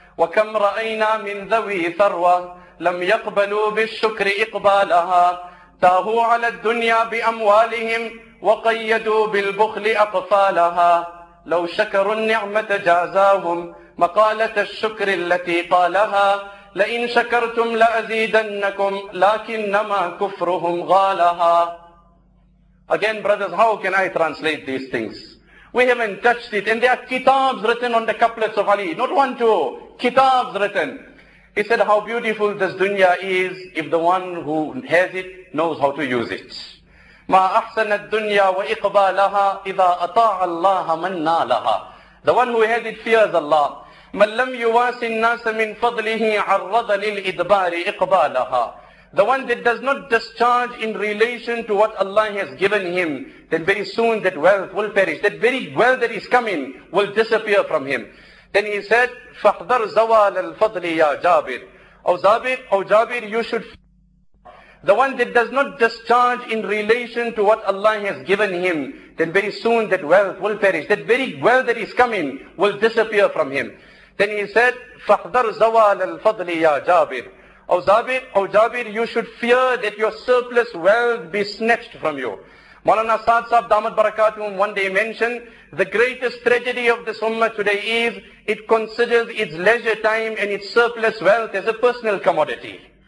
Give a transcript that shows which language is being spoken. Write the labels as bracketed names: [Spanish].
[Arabic] وكم رأينا من ذوي ثروة لم يقبلوا بالشكر إقبالها تاهوا على الدنيا بأموالهم وقيدوا بالبخل أقفالها لو شكروا النعمة جازاهم مقالة الشكر التي قالها لئن شكرتم لأزيدنكم لكنما كفرهم غالها. [English] Again, brothers, how can I translate these things? We haven't touched it, and there are kitabs written on the couplets of Ali. Not one, two, kitabs written. He said, how beautiful this dunya is if the one who has it knows how to use it. [Arabic] مَا أَحْسَنَ الدُّنْيَا وَإِقْبَالَهَا إِذَا أَطَاعَ اللَّهَ مَنَّا لَهَا. [English] The one who has it fears Allah. [Arabic] مَنْ لَمْ يُوَاسِ النَّاسَ مِنْ فَضْلِهِ عَرَّضَ لِلْإِدْبَارِ إِقْبَالَهَا. [English] The one that does not discharge in relation to what Allah has given him, then very soon that wealth will perish. That very wealth that is coming will disappear from him. Then he said, [Arabic] فَحْذَرْ زَوَالَ الْفَضْلِ يَا جَابِرِ. [English] O Jabir, you should... The one that does not discharge in relation to what Allah has given him, then very soon that wealth will perish. That very wealth that is coming will disappear from him. Then he said, [Arabic] فَحْذَرْ زَوَالَ الْفَضْلِ يَا جَابِرِ. [English] O Jabir, you should fear that your surplus wealth be snatched from you. Maulana Saad Sahib Damat Barakatum one day mentioned, the greatest tragedy of this ummah today is, it considers its leisure time and its surplus wealth as a personal commodity.